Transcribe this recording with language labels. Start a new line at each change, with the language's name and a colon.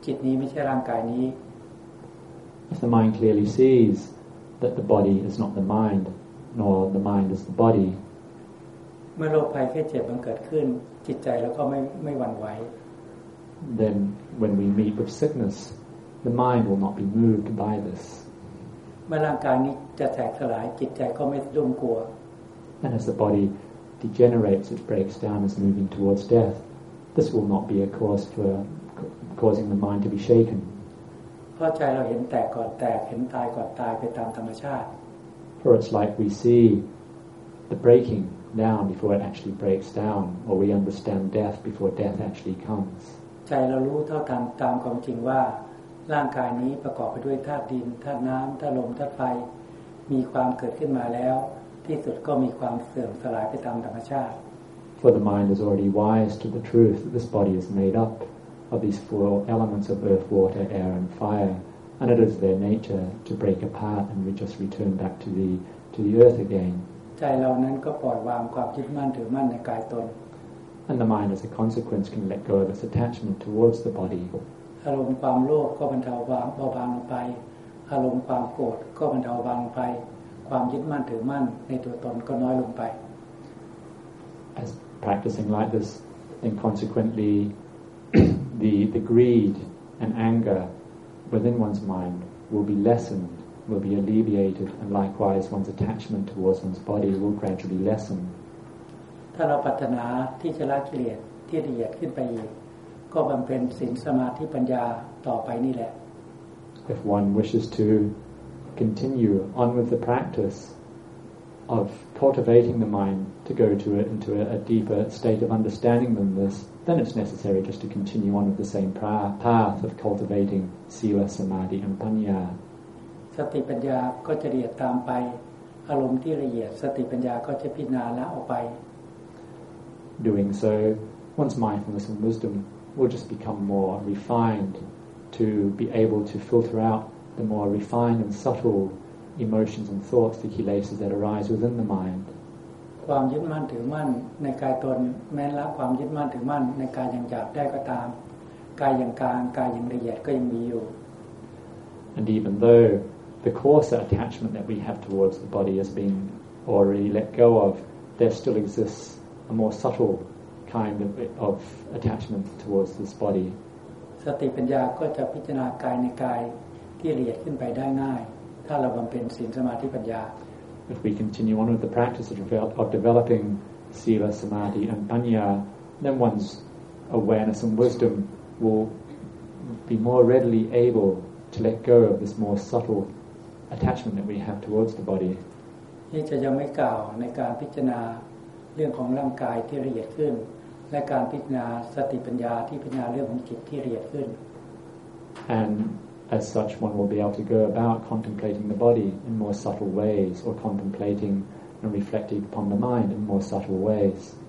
English: If the mind clearly sees that the body is not the mind, nor the mind is the body,
Thai: เมื่อโรคภัยแค่เจ็บมันเกิดขึ้นจิตใจเราก็ไม่หวั่นไหว
English: Then when we meet with sickness the mind will not be moved by this
Thai: เมื่อร่างกายนี้จะแตกสลายจิตใจก็ไม่รุ่มกลัว
English: And as the body degenerates it breaks down is moving towards death this will not be a cause for causing the mind to be shaken
Thai: เพราะใจเราเห็นแตกก่อนแตกเห็นตายก่อนตายไปตามธรรมชาติ
English: For it's like we see the breakingdown before it actually breaks down or we understand death before death actually comes
Thai: ใจเรารู้เท่าทันตามความจริงว่าร่างกายนี้ประกอบไปด้วยธาตุดินธาตุน้ำธาตุลมธาตุไฟมีความเกิดขึ้นมาแล้วที่สุดก็มีความเสื่อมสลายไปตามธรรมชาติ
English: For the mind is already wise to the truth that this body is made up of these four elements of earth water air and fire and it is their nature to break apart and we just return back to the earth again
Thai: ใจเรานั้นก็ปล่อยวางความยึดมั่นถือมั่นในกายตน
English: And the mind as a consequence can let go of its attachment towards the body
Thai: อารมณ์ความโลภก็บรรเทาบางเบาบางลงไปอารมณ์ความโกรธก็บรรเทาบางไปความยึดมั่นถือมั่นในตัวตนก็น้อยลงไป
English: As practicing like this and consequently the greed and anger within one's mind will be lessened, will be alleviated, and likewise one's attachment towards one's body will gradually lessen.
Thai: ถ้าเราปรารถนาที่จะละกิเลสที่ละเอียดขึ้นไปอีกก็บำเพ็ญศีลสมาธิปัญญาต่อไปนี่แหละ
English: If one wishes to continue on with the practice of cultivating the mind to go to it into a deeper state of understanding than this, then it's necessary just to continue on with the same path of cultivating sila samadhi and panya.
Thai: สติปัญญาก็จะละเอียดตามไปอารมณ์ที่ละเอียดสติปัญญาก็จะพิจารณาออกไป
English: Doing so, one's mindfulness and wisdom will just become more refined to be able to filter out the more refined and subtle emotions and thoughts, the kilesas that arise within the mind.
Thai: ความยึดมั่นถือมั่นในกายตนแม้ละความยึดมั่นถือมั่นในกายอย่างหยาบได้ก็ตามกายอย่างกลางกายอย่างละเอียดก็ยังมีอยู่
English: And even though the coarser attachment that we have towards the body has been already let go of, there still exists a more subtle kind of attachment towards this body.
Thai: สติปัญญาก็จะพิจารณากายในกายที่ละเอียดขึ้นไปได้ง่ายถ้าเราบำเพ็ญศีลสมาธิปัญญา
English: If we continue on with the practice of developing sila samadhi and panya, then one's awareness and wisdom will be more readily able to let go of this more subtle attachment that we have towards the body.
Thai: นี่จะยังไม่กล่าวในการพิจารณาเรื่องของร่างกายที่ละเอียดขึ้นและการพิจารณาสติปัญญาที่พิจารณาเรื่องของจิตที่ละเอียดขึ้น
English: AndAs such, one will be able to go about contemplating the body in more subtle ways, or contemplating and reflecting upon the mind in more subtle ways.